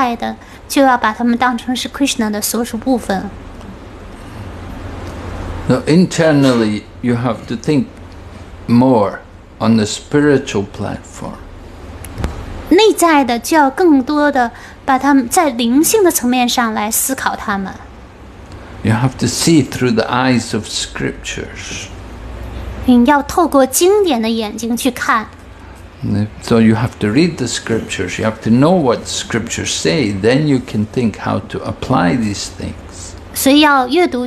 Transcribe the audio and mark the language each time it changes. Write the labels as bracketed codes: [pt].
[zh] 在外在呢，就继续和他们，把他们当成亲密的家庭成员来跟他们打交道。但是在内在的，就要把他们当成是Krishna的所属部分。 [en] So internally, you have to think more on the spiritual platform. [zh] 内在的就要更多的把他们在灵性的层面上来思考他们。 [en] You have to see through the eyes of scriptures. [zh] 你要透过经典的眼睛去看。 [en] So you have to read the scriptures, you have to know what scriptures say, then you can think how to apply these things.